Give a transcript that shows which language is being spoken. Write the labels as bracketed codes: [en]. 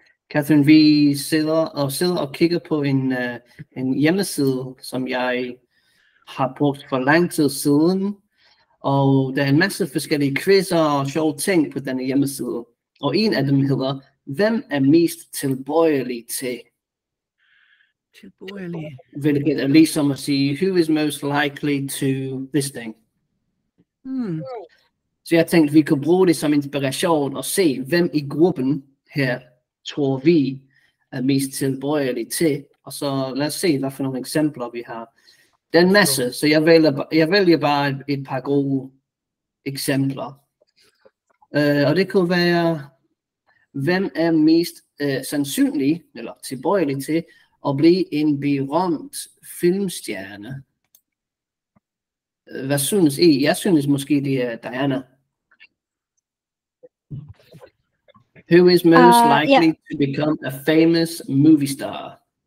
[da] Katrin, vi sidder og kigger på en hjemmeside, som jeg har brugt for lang tid siden. Og der er en masse forskellige quizzer og sjove ting på denne hjemmeside. Og en af dem hedder, hvem er mest tilbøjelig til? Hvilket er ligesom at sige, [en] who is most likely to this thing? [da] Så jeg tænkte, vi kunne bruge det som inspiration og se, hvem i gruppen her tror vi er mest tilbøjelig til. Og så lad os se, hvad for nogle eksempler vi har. Det er en masse, så jeg vælger bare et par gode eksempler. Og det kunne være, hvem er mest sandsynlig eller tilbøjelig til at blive en berømt filmstjerne. Hvad synes I? Jeg synes måske, det er Diana. [en] Who is most likely to become a famous movie star?